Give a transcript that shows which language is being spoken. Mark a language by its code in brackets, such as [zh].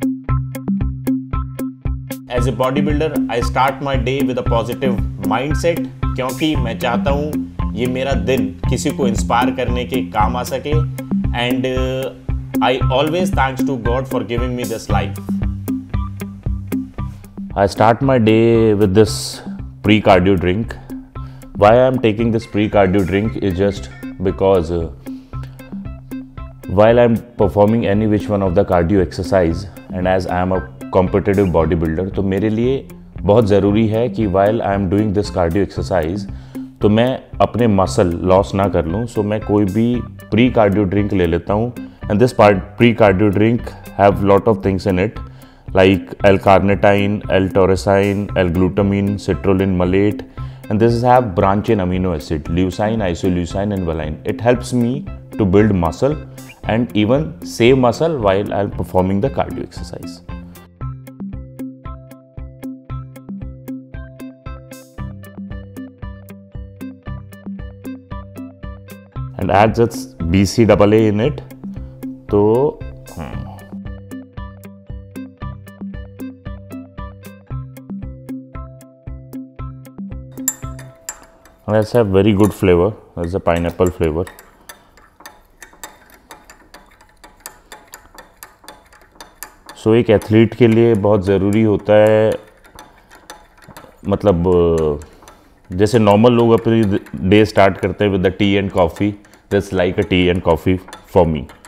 [en] as a body builder I start my day with a positive mind set, [hi] क्योंकि मैं चाहता हूँ ये मेरा दिन किसी को इंस्पायर करने के काम आ सके. [en] And I always thanks to God for giving me this life. I start my day with this pre cardio drink. Why I am taking this pre cardio drink is just because while I'm performing any which one of the cardio exercise and as I am a competitive bodybuilder, [hi] तो मेरे लिए बहुत ज़रूरी है कि [en] while I am doing this cardio exercise, [hi] तो मैं अपने muscle loss ना कर लूँ. so मैं कोई भी pre-cardio drink ले लेता हूँ. [en] and this pre-cardio drink have lot of things in it, like L-carnitine, L-taurocyne, L-glutamine, citrulline malate, and this have branch chain amino acid, leucine, isoleucine and valine. it helps me to build muscle and even save muscle while I'm performing the cardio exercise. and add just BCAA in it. to let's have very good flavor. that's a pineapple flavor. [hi] सो एक athlete के लिए बहुत ज़रूरी होता है, मतलब जैसे normal लोग अपनी डे स्टार्ट करते हैं [en] With the tea and coffee, that's like a tea and coffee for me.